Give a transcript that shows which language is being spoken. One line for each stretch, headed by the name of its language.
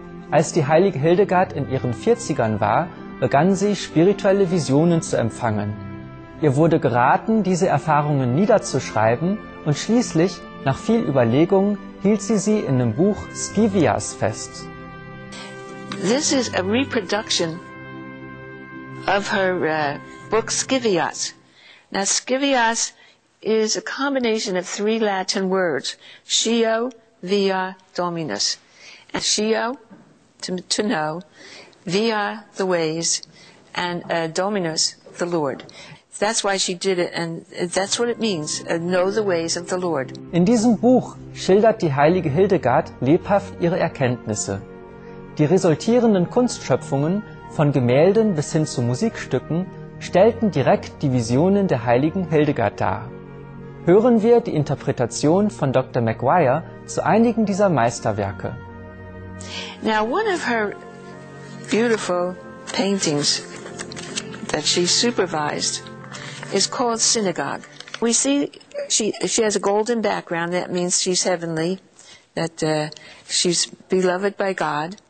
German: Als die heilige Hildegard in ihren 40ern war, begann sie, spirituelle Visionen zu empfangen. Ihr wurde geraten, diese Erfahrungen niederzuschreiben und schließlich, nach viel Überlegung, hielt sie sie in dem Buch Scivias fest.
English: This is a reproduction of her book Scivias. Now Scivias is a combination of three Latin words, scio, via, dominus. And scio, to know, via, the ways, and dominus, the Lord. That's why she did it, and that's what it means, know the ways of the Lord.
German: In diesem Buch schildert die heilige Hildegard lebhaft ihre Erkenntnisse. Die resultierenden Kunstschöpfungen, von Gemälden bis hin zu Musikstücken, stellten direkt die Visionen der heiligen Hildegard dar. Hören wir die Interpretation von Dr. McGuire zu einigen dieser Meisterwerke.
English: Now, one of her beautiful paintings that she supervised is called Synagogue. We see she has a golden background, that means she's heavenly, that she's beloved by God.